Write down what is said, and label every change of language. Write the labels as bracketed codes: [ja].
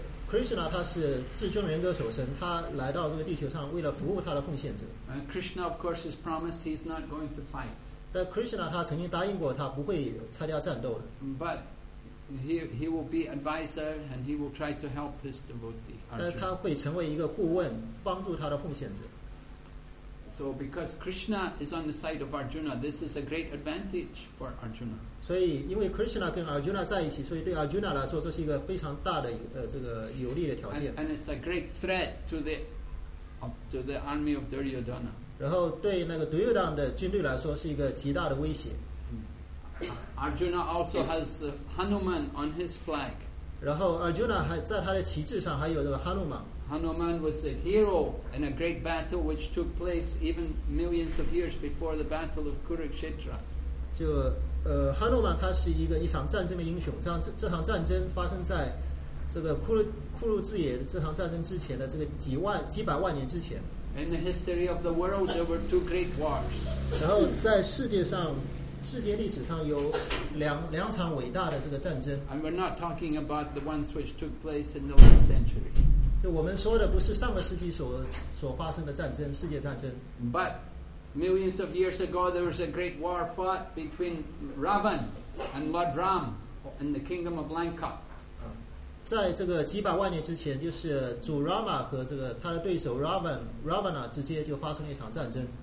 [zh] Krishna 他是至尊人格首身，他来到这个地球上为了服务他的奉献者。 [en] Krishna of course has promised he's not going to fight. [zh] 但 Krishna 他曾经答应过他不会参加战斗的。 [en] But he will be advisor and he will try to help his devotee. [zh] 但他会成为一个顾问，帮助他的奉献者。 [en] So because Krishna is on the side of Arjuna, this is a great advantage for Arjuna. [zh] 所以因为 Krishna 跟 Arjuna 在一起，所以对 Arjuna 来说，这是一个非常大的这个有利的条件。 [en] And it's a great threat to the army of Duryodhana. [zh] 然后对那个 Duryodhana 的军队来说，是一个极大的威胁。 [en] Arjuna also has Hanuman on his flag. [zh] 然后 Arjuna 还在他的旗帜上还有这个 Hanuman。 [en] Hanuman was a hero in a great battle which took place even millions of years before the battle of Kurukshetra. [zh] 就Hanuman 他是一场战争的英雄，这场战争发生在这个库鲁之野这场战争之前的这个几百万年之前。 [en] In the history of the world, there were two great wars. [zh] 然后在世界历史上有两场伟大的这个战争。 [en] And we're not talking about the ones which took place in the last century. [zh] 我们说的不是上个世纪所发生的战争，世界战争。 [en] But millions of years ago, there was a great war fought between Ravan and Lord Ram in the kingdom of Lanka. [zh] 在这个几百万年之前，就是主 Rama 和这个他的对手 Ravana 之间就发生了一场战争。